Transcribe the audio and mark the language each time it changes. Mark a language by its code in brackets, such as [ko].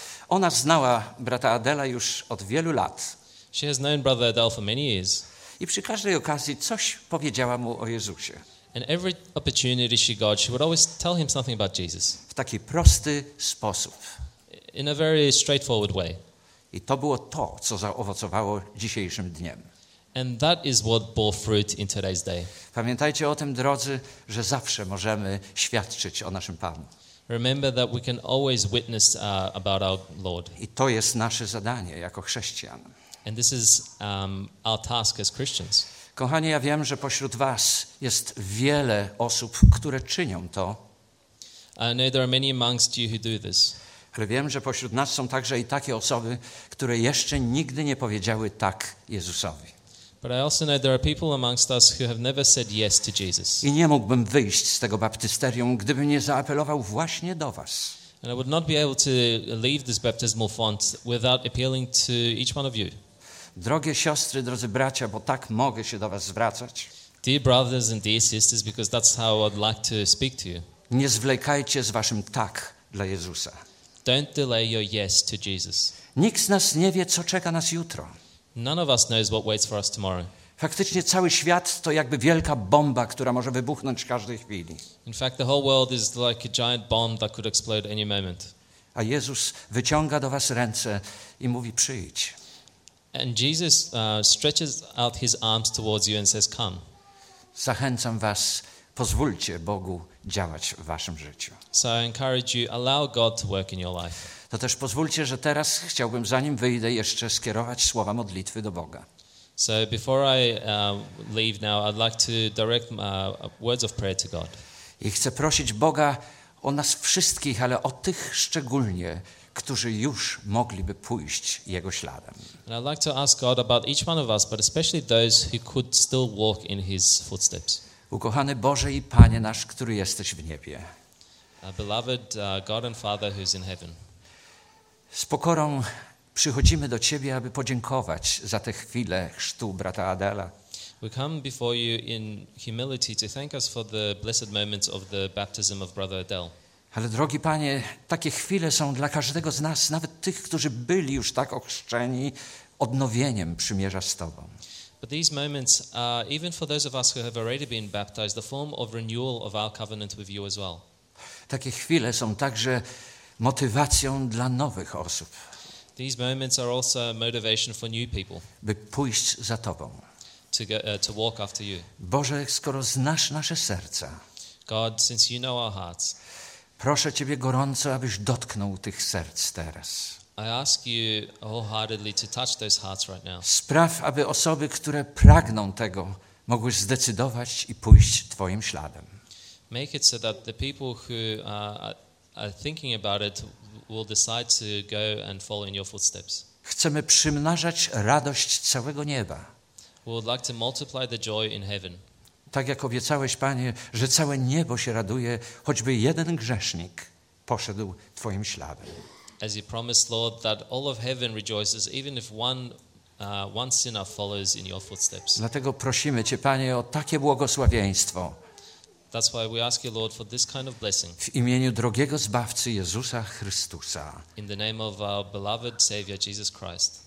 [pl] Ona znała brata Adela już od wielu lat. [en] She has known brother Adele for many years. [pl] I przy każdej okazji coś powiedziała mu o Jezusie. [en] And every opportunity she got, she would always tell him something about Jesus. [pl] W taki prosty sposób. [en] In a very straightforward way. [pl] I to było to, co zaowocowało dzisiejszym dniem. [en] And that is what bore fruit in today's day. [pl] Pamiętajcie o tym, drodzy, że zawsze możemy świadczyć o naszym Panu. [en] Remember that we can always witness about our Lord. [pl] I to jest nasze zadanie jako chrześcijan. [en] And this is our task as Christians. [pl] Kochani, ja wiem, że pośród was jest wiele osób, które czynią to. [en] I know there are many amongst you who do this. [pl] Ale wiem, że pośród nas są także i takie osoby, które jeszcze nigdy nie powiedziały tak Jezusowi. [en] But I also know there are people amongst us who have never said yes to Jesus. [pl] I nie mógłbym wyjść z tego baptysterium, gdybym nie zaapelował właśnie do was. [en] And I would not be able to leave this baptismal font without appealing to each one of you. [pl] Drogie siostry, drodzy bracia, bo tak mogę się do was zwracać. [en] Dear brothers and dear sisters, because that's how I'd like to speak to you. [pl] Nie zwlekajcie z waszym tak dla Jezusa. [en] Don't delay your yes to Jesus. [pl] Nikt z nas nie wie, co czeka nas jutro. [en] None of us knows what waits for us tomorrow. [pl] Faktycznie cały świat to jakby wielka bomba, która może wybuchnąć w każdej chwili. [en] In fact, the whole world is like a giant bomb that could explode any moment. [pl] A Jezus wyciąga do was ręce i mówi: przyjdź. [en] And Jesus stretches out his arms towards you and says, come. [pl] Zachęcam was, pozwólcie Bogu działać w waszym życiu. [en] So I encourage you, allow God to work in your life. [pl] To też pozwólcie, że teraz chciałbym, zanim wyjdę, jeszcze skierować słowa modlitwy do Boga. [en] So before I leave now, I'd like to direct words of prayer to God. [pl] I chcę prosić Boga o nas wszystkich, ale o tych szczególnie, którzy już mogliby pójść Jego śladem. [en] And I'd like to ask God about each one of us, but especially those who could still walk in His footsteps. [pl] Ukochany Boże i Panie nasz, który jesteś w niebie. [en] Beloved God and Father who's in heaven. [pl] Z pokorą przychodzimy do Ciebie, aby podziękować za tę chwilę chrztu brata Adela. [en] We come before you in humility to thank us for the blessed moments of the baptism of brother Adel. [pl] Ale drogi Panie, takie chwile są dla każdego z nas, nawet tych, którzy byli już tak ochrzczeni odnowieniem przymierza z Tobą. [en] But these moments are even for those of us who have already been baptized, the form of renewal of our covenant with you as well. [pl] Takie chwile są także motywacją dla nowych osób. [en] These moments are also a motivation for new people. [pl] By pójść za Tobą. [en] To walk after you. [pl] Boże, skoro znasz nasze serca. [en] God, since you know our hearts. [pl] Proszę Ciebie gorąco, abyś dotknął tych serc teraz. [en] I ask you wholeheartedly to touch those hearts right now. [pl] Spraw, aby osoby, które pragną tego, mogły zdecydować i pójść Twoim śladem. [en] Make it so that the people who are thinking about it will decide to go and follow in your footsteps. [pl] Chcemy przymnażać radość całego nieba. [en] We would like to multiply the joy in heaven. [pl] Tak jak obiecałeś, Panie, że całe niebo się raduje, choćby jeden grzesznik poszedł Twoim śladem. [en] As you promised, Lord, that all of heaven rejoices, even if one sinner follows in your footsteps. [pl] Dlatego prosimy Cię, Panie, o takie błogosławieństwo. [en] That's why we ask you, Lord, for this kind of blessing. [pl] W imieniu drogiego Zbawcy Jezusa Chrystusa. [en] In the name of our beloved Savior, Jesus Christ.